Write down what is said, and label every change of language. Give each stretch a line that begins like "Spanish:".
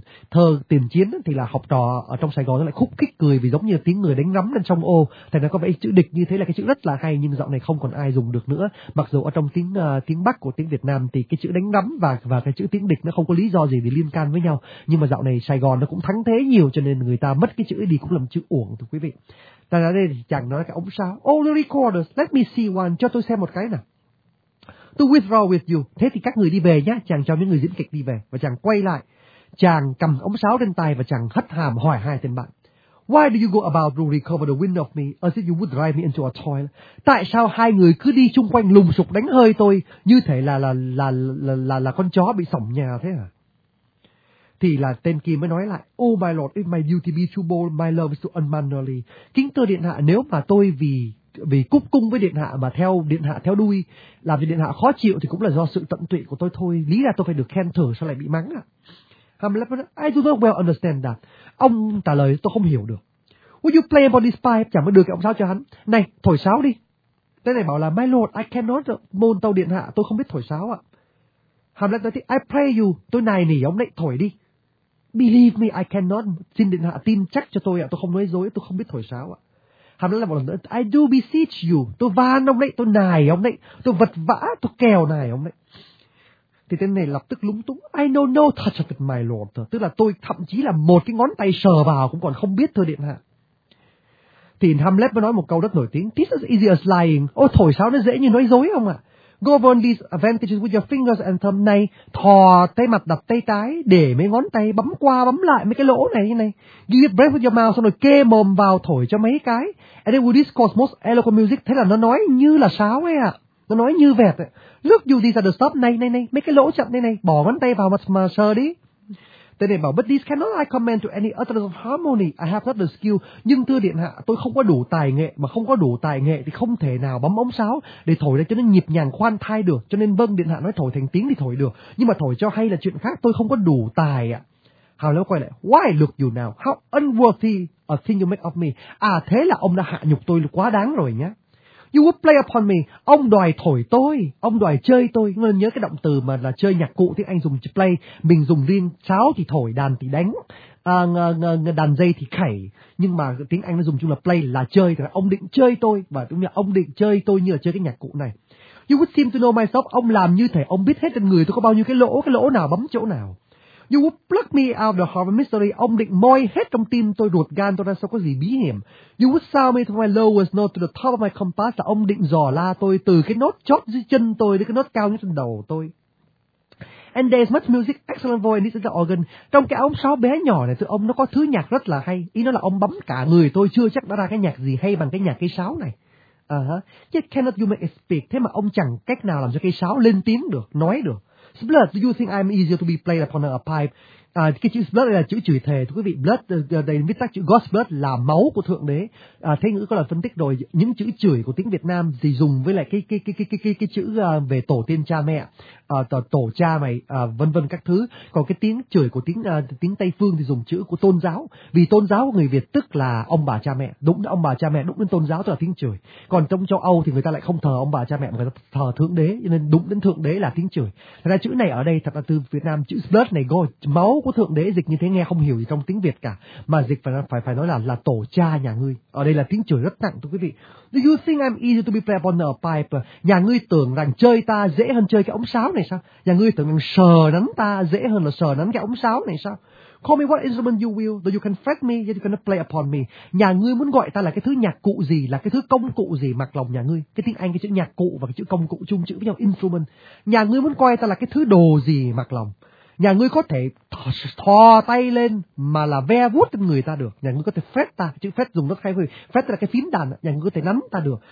Vietnamese: thơ Tiền Chiến thì là học trò ở trong Sài Gòn nó lại khúc khích cười vì giống như tiếng người đánh rắm lên sông ô, thành ra có vẻ chữ địch như thế là cái chữ rất là hay nhưng dạo này không còn ai dùng được nữa, mặc dù ở trong tiếng Bắc của tiếng Việt Nam thì cái chữ đánh rắm và cái chữ tiếng địch nó không có lý do gì để liên can với nhau, nhưng mà dạo này Sài Gòn nó cũng thắng thế nhiều cho nên người ta mất cái chữ đi cũng làm chữ uổng thưa quý vị. Ta ra đây thì chàng nói cái ống sáo.
English: Oh, the recorders, let me see one,
Vietnamese: cho tôi xem một cái nào.
English: To withdraw with you,
Vietnamese: thế thì các người đi về nhá, chàng cho những người diễn kịch đi về và chàng quay lại. Chàng cầm ống sáo trên tay và chàng hất hàm hỏi hai tên bạn.
English: Why do you go about to recover the wind of me as if you would drive me into a toilet?
Vietnamese: Tại sao hai người cứ đi chung quanh lùng sục đánh hơi tôi như thể là con chó bị sổng nhà thế à? Thì là tên kia mới nói lại,
English: oh my lord, if my duty be too bold, my love is too unmannerly.
Vietnamese: Kính thưa điện hạ, nếu mà tôi vì cúp cung với điện hạ mà theo điện hạ theo đuôi, làm vì điện hạ khó chịu thì cũng là do sự tận tụy của tôi thôi. Lý ra tôi phải được khen thưởng, sao lại bị mắng à?
English: Hamlet, I do not well understand that.
Vietnamese: Ông trả lời, tôi không hiểu được.
English: Would you play upon this pipe?
Vietnamese: Chẳng mới đưa cái ông sáo cho hắn. Này, thổi sáo đi. Tên này bảo là,
English: my lord, I cannot
Vietnamese: môn tàu điện hạ, tôi không biết thổi sáo ạ. Hamlet nói,
English: I pray you,
Vietnamese: tôi nài nỉ ông đấy, thổi đi.
English: Believe me, I cannot,
Vietnamese: xin điện hạ tin chắc cho tôi ạ, tôi không nói dối, tôi không biết thổi sáo ạ. Hamlet lại bảo lần nữa,
English: I do beseech you,
Vietnamese: tôi van ông đấy, tôi nài ông đấy, tôi vật vã, tôi kèo nài ông đấy. Thì tên này lập tức lúng túng,
English: I know no touch of it, my lord.
Vietnamese: Tức là tôi thậm chí là một cái ngón tay sờ vào cũng còn không biết thưa điện hạ. Thì Hamlet mới nói một câu rất nổi tiếng,
English: this is easy as lying.
Vietnamese: Ôi thổi sáo nó dễ như nói dối không ạ?
English: Go on these advantages with your fingers and thumb
Vietnamese: này. Thò tay mặt đặt tay trái để mấy ngón tay bấm qua bấm lại mấy cái lỗ này như này.
English: Give breath with your mouth
Vietnamese: xong rồi kê mồm vào thổi cho mấy cái.
English: And it will discourse most eloquent music.
Vietnamese: Thế là nó nói như là sáo ấy ạ. Nó nói như vẹt ấy.
English: Look you these are the stop,
Vietnamese: này, mấy cái lỗ chậm này, bỏ ngón tay vào mà sờ đi. Tên này bảo,
English: but this cannot I comment to any utterance of harmony, I have not the skill.
Vietnamese: Nhưng thưa điện hạ, tôi không có đủ tài nghệ, mà không có đủ tài nghệ thì không thể nào bấm ống sáo để thổi ra cho nó nhịp nhàng khoan thai được. Cho nên vâng, điện hạ nói thổi thành tiếng thì thổi được, nhưng mà thổi cho hay là chuyện khác, tôi không có đủ tài ạ. Hào lâu quay lại,
English: why look you now, how unworthy a thing you make of me.
Vietnamese: À thế là ông đã hạ nhục tôi quá đáng rồi nhá.
English: You would play upon me,
Vietnamese: ông đòi thổi tôi, ông đòi chơi tôi. Nhớ cái động từ mà là chơi nhạc cụ tiếng Anh dùng play, mình dùng riêng sáo thì thổi, đàn thì đánh, đàn dây thì khẩy. Nhưng mà tiếng Anh nó dùng chung là play là chơi, thì là ông định chơi tôi, và đúng là ông định chơi tôi như là chơi cái nhạc cụ này.
English: You would seem to know myself,
Vietnamese: ông làm như thể ông biết hết trên người tôi có bao nhiêu cái lỗ nào bấm chỗ nào.
English: You would pluck me out of the heart of mystery,
Vietnamese: ông định moi hết trong tim tôi, ruột gan tôi ra sao có gì bí hiểm.
English: You would sound me from my lowest note to the top of my compass,
Vietnamese: là ông định dò la tôi từ cái nốt chót dưới chân tôi đến cái nốt cao nhất trên đầu tôi.
English: And there's much music, excellent voice, and this is the organ.
Vietnamese: Trong cái ống sáo bé nhỏ này, thưa ông, nó có thứ nhạc rất là hay. Ý nó là ông bấm cả người tôi, chưa chắc đã ra cái nhạc gì hay bằng cái nhạc cây sáo này.
English: Yet cannot you make it speak?
Vietnamese: Thế mà ông chẳng cách nào làm cho cây sáo lên tiếng được, nói được.
English: Splat, do you think I'm easier to be played upon a pipe?
Vietnamese: À, cái chữ blood là chữ chửi thề, thưa quý vị. Blood, đây viết tắt chữ God's blood là máu của thượng đế. À, Thế Ngữ có lần phân tích rồi, những chữ chửi của tiếng Việt Nam thì dùng với lại cái chữ về tổ tiên cha mẹ, tổ cha mày, vân vân các thứ. Còn cái tiếng chửi của tiếng Tây phương thì dùng chữ của tôn giáo, vì tôn giáo của người Việt tức là ông bà cha mẹ, đúng ông bà cha mẹ, đúng đến tôn giáo tức là tiếng chửi. Còn trong châu Âu thì người ta lại không thờ ông bà cha mẹ mà người ta thờ thượng đế, nên đúng đến thượng đế là tiếng chửi. Thật ra chữ này ở đây thật là từ Việt Nam, chữ blood này gọi máu của thượng đế, dịch như thế nghe không hiểu gì trong tiếng Việt cả, mà dịch phải nói là tổ cha nhà ngươi. Ở đây là tiếng chửi rất nặng, thưa quý vị.
English: Do you think I'm easy to be played upon a pipe?
Vietnamese: Nhà ngươi tưởng rằng chơi ta dễ hơn chơi cái ống sáo này sao? Nhà ngươi tưởng rằng sờ nắn ta dễ hơn là sờ nắn cái ống sáo này sao?
English: Call me what instrument you will, though you can fret me, yet you cannot play upon me.
Vietnamese: Nhà ngươi muốn gọi ta là cái thứ nhạc cụ gì, là cái thứ công cụ gì, mặc lòng nhà ngươi. Cái tiếng Anh cái chữ nhạc cụ và cái chữ công cụ chung chữ với nhau, instrument. Nhà ngươi muốn coi ta là cái thứ đồ gì, mặc lòng. Nhà ngươi có thể thò tay lên mà là ve vuốt người ta được. Nhà ngươi có thể phét ta, chữ phét dùng rất hay, hơi phét là cái phím đàn. Nhà ngươi có thể nắm ta được.